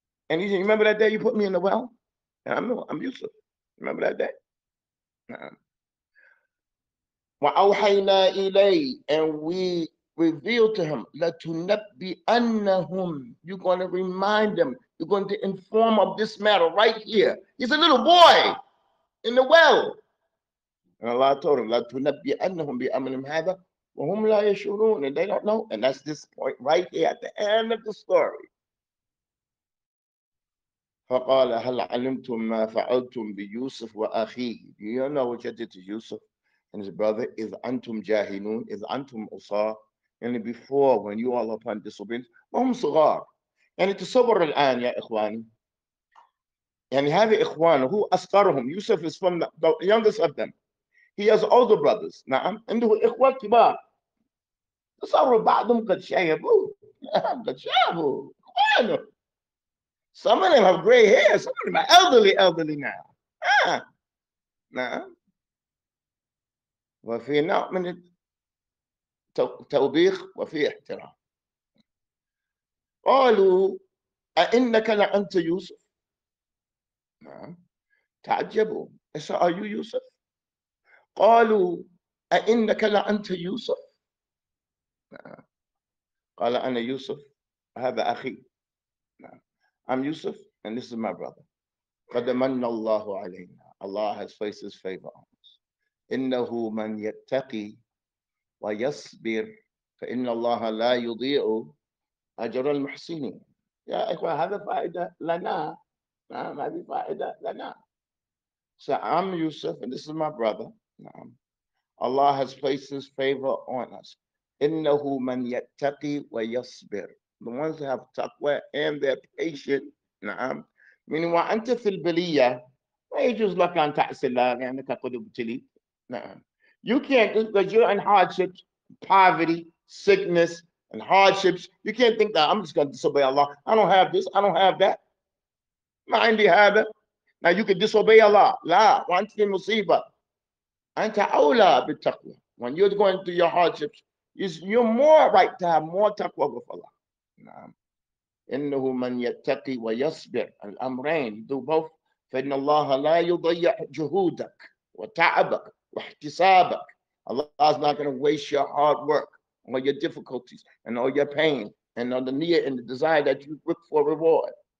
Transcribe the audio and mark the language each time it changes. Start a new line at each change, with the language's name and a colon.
English: And he said, you remember that day you put me in the well? And I'm Yusuf. Remember that day? Nah-um.
Arabic: وأوحينا إليه
English: and we revealed to him
Arabic: لتنبئنهم.
English: You're going to remind them. You're going to inform of this matter right here. He's a little boy in the well. And Allah told him,
Arabic: لا تنبئنهم بأمرهم هذا وهم لا يشعرون.
English: And they don't know. And that's this point right here at the end of the story.
Arabic: فقال هل علمتم ما فعلتم بيوسف وأخيه.
English: Do you know what you did to Yusuf and his brother?
Arabic: إذ أنتم جاهلون. إذ أنتم أصاء.
English: And before when you all upon disobedience.
Arabic: وهم صغار. يعني تصبر الآن يا إخواني. يعني هذه إخوانه. هو أصغرهم.
English: يوسف is from the youngest of them. He has older brothers.
Arabic: نعم. عنده إخوة كبار. تصبروا بعضهم قد شابوا. قد شابوا. إخوانه.
English: Some of them have gray hair. Some of them are elderly now.
Arabic: نعم. وفي نوع من التوبيخ وفي احترام. قالوا أإنك لأنت يوسف؟ نعم. تعجبوا.
English: Are you Yusuf?
Arabic: قالوا أإنك لأنت يوسف؟ نعم. قال أنا يوسف هذا أخي. نعم.
English: I'm Yusuf and this is my brother.
Arabic: قد من الله علينا.
English: Allah has placed his favor on us.
Arabic: إنه من يتقي ويصبر فإن الله لا يضيع أجر المحسنين. يا إخوة هذا فائدة لنا. نعم هذه فائدة لنا.
English: So I'm Yusuf and this is my brother.
Arabic: نعم.
English: Allah has placed his favor on us.
Arabic: إنه من يتقي ويصبر.
English: The ones that have taqwa and they're patient.
Arabic: نعم.
English: Meanwhile,
Arabic: أنت في البلية. ما يجوز لك أن تحصل لأنك قد ابتلي. نعم.
English: You can't, because you're in hardships, poverty, sickness, and hardships. You can't think that I'm just going to disobey Allah. I don't have this. I don't have that.
Arabic: ما عندي هذا.
English: Now you can disobey Allah.
Arabic: لا. وأنت في مصيبة. أنت أولى بالتقوى.
English: When you're going through your hardships, you're more right to have more taqwa with Allah.
Arabic: نعم. إنه من يتقي ويصبر الأمرين
English: do both
Arabic: فإن الله لا يضيع جهودك وتعبك واحتسابك.
English: Allah is not going to waste your hard work or your difficulties and all your pain and all the need and the desire that you look for reward.